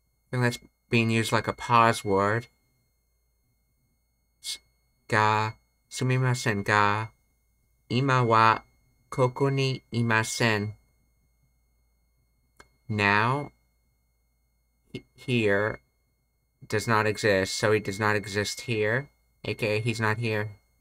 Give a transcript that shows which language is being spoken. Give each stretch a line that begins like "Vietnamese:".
English: And that's being used like a pause word.
Japanese: が、すみませんが、今はここにいません。
English: Now, here does not exist, so he does not exist here, aka he's not here.